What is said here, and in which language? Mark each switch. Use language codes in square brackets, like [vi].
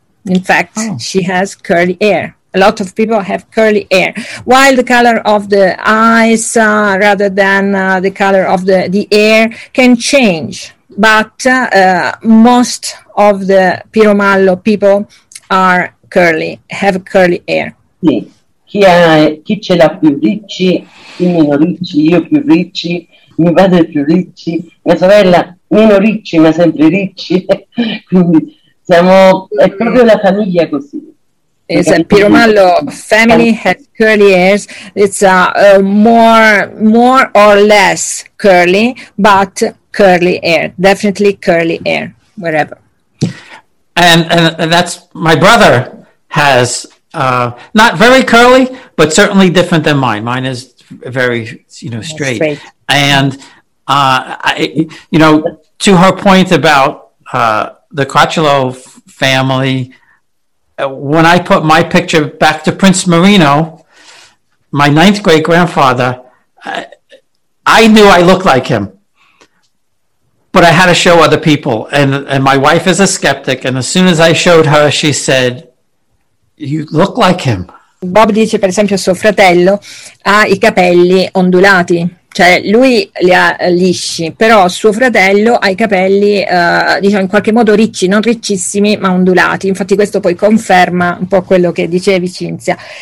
[en] In fact, she has curly hair. A lot of people have curly hair. While the color of the eyes rather than the color of the hair can change, but most of the Piromallo people are curly, have curly hair. [it] Sì, chi ce l'ha più ricci, i meno ricci, io più ricci, mio padre più ricci, mia sorella meno ricci ma sempre ricci, quindi siamo, è proprio la famiglia così. [en] Is a Piromallo family has curly hairs. It's more or less curly, but curly hair, definitely curly hair, wherever. And that's my brother has not very curly, but certainly different than mine. Mine is very straight. And to her point about the Caracciolo family. When I put my picture back to Prince Marino, my ninth great grandfather, I knew I looked like him, but I had to show other people. And my wife is a skeptic. And as soon as I showed her, she said, "You look like him." [it] Bob dice, per esempio, suo fratello ha i capelli ondulati. Cioè, lui li ha lisci, però suo fratello ha i capelli, diciamo, in qualche modo ricci, non riccissimi, ma ondulati. Infatti questo poi conferma un po' quello che dicevi, Cinzia.